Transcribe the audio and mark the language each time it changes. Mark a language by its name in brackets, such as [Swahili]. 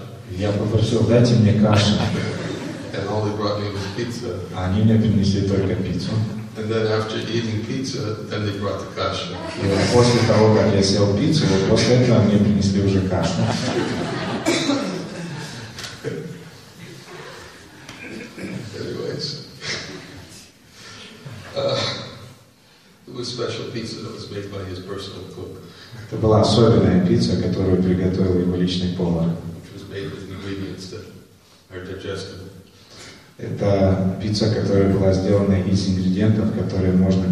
[Russian] Я попросил, дайте мне кашу. [English] And all they brought me was pizza. [Russian] Они мне принесли только пиццу. [English] And then after eating pizza, then they brought the kasha. [Russian] И вот после того, как я съел пиццу, вот после этого мне принесли уже кашу. [English] Anyways. It was special pizza that was made by his personal cook. [Russian] Это была особенная пицца, которую приготовил его личный повар. [English] Which was made with ingredients that are digestible. [Russian] Это пицца, которая была сделана из ингредиентов, которые можно